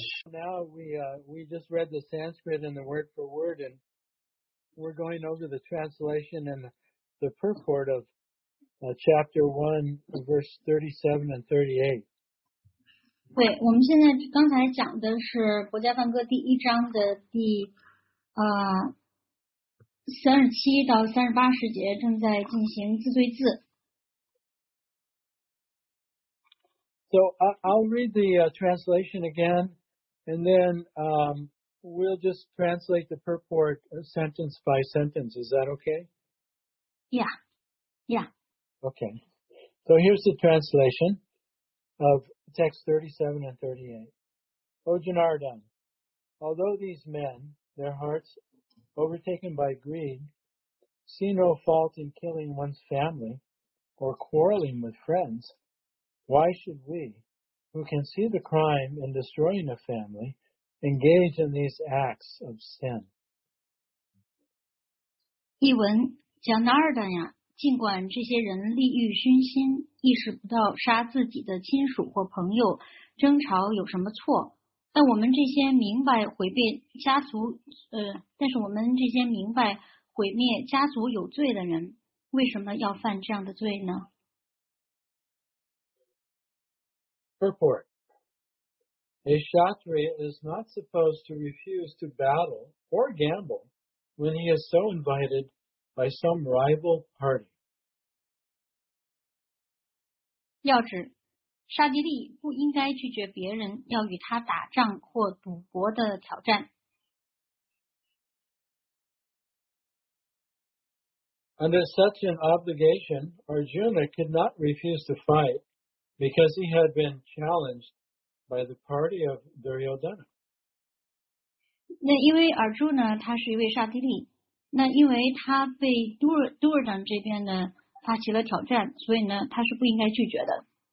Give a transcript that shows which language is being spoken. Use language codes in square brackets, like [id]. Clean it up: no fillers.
[en] Now we just read the Sanskrit and the word for word, and we're going over the translation and the purport of chapter 1, verse 37 and 38. [zh] 对，我们现在刚才讲的是《博伽梵歌》第一章的第37到38节，正在进行字对字。 [en] So I'll read the translation again, and then we'll just translate the purport sentence by sentence. Is that okay? Yeah. Yeah. Okay. So here's the translation of text 37 and 38. O Janardan, although these men, their hearts overtaken by greed, see no fault in killing one's family or quarreling with friends, why should we, who can see the crime in destroying a family, engage in these acts of sin? [zh] 译文：贾纳尔丹呀，尽管这些人利欲熏心，意识不到杀自己的亲属或朋友争吵有什么错。但我们这些明白毁灭家族，但是我们这些明白毁灭家族有罪的人，为什么要犯这样的罪呢 [en] ？Purport: A Kshatriya is not supposed to refuse to battle or gamble when he is so invited by some rival party. [zh] 要旨。沙吉利不应该拒绝别人要与他打仗或赌博的挑战。 [en] Under such an obligation, Arjuna could not refuse to fight because he had been challenged by the party of Duryodhana. [zh] 那因为 Arjuna 他是一位沙吉利，那因为他被 Duryodhan 这边呢发起了挑战，所以呢他是不应该拒绝的。